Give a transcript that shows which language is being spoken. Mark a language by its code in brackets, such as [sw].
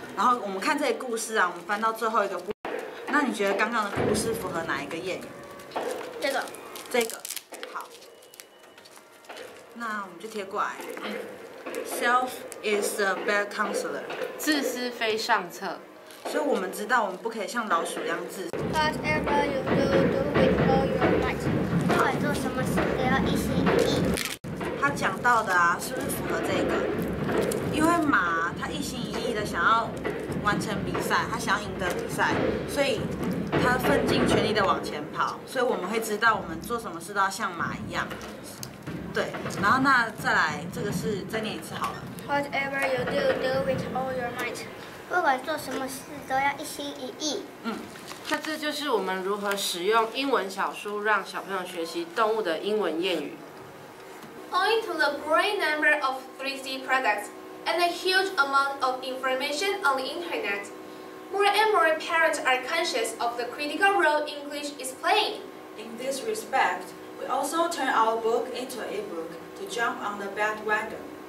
[zh] 然后我们看这些故事啊，我们翻到最后一个部分，那你觉得刚刚的故事符合哪一个谚语？这个。这个。好。那我们就贴过来。 [en] Self is a bad counselor. [zh] 自私非上策。所以我们知道我们不可以像老鼠一样自私。 [en] Whatever you do, do with all your might. [zh] 不管做什么事都要一心一意。他讲到的啊，是不是符合这个？因为马他一心一意的想要完成比赛，他想要赢得比赛，所以他奋尽全力的往前跑，所以我们会知道我们做什么事都要像马一样。对，然后那再来这个是再念一次好了。 [en] Whatever you do, do with all your might. [zh] 不管做什么事都要一心一意。嗯，那这就是我们如何使用英文小书让小朋友学习动物的英文谚语。 [en] Owing to the great number of 3C products and a huge amount of information on the internet, more and more parents are conscious of the critical role English is playing. In this respect, we also turn our book into an e-book to jump on the bandwagon.